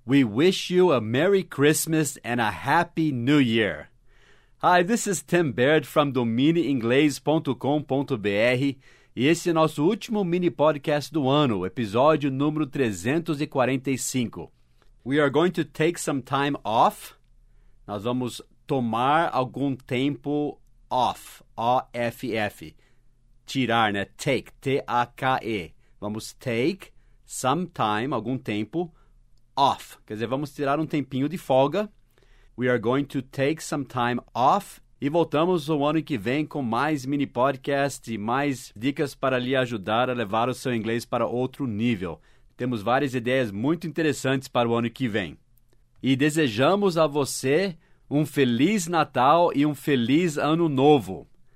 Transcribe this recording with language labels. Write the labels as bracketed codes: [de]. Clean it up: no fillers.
[en] We wish you a Merry Christmas and a Happy New Year. Hi, this is Tim Baird from domineinglês.com.br. [pt] E esse é nosso último mini podcast do ano, episódio número 345. [en] We are going to take some time off. [pt] Nós vamos tomar algum tempo off, O-F-F. Tirar, né? Take, T-A-K-E. Vamos [en] take some time, [pt] algum tempo, off. Quer dizer, vamos tirar um tempinho de folga. [en] We are going to take some time off. [pt] E voltamos o ano que vem com mais mini podcast e mais dicas para lhe ajudar a levar o seu inglês para outro nível. Temos várias ideias muito interessantes para o ano que vem. E desejamos a você um Feliz Natal e um Feliz Ano Novo.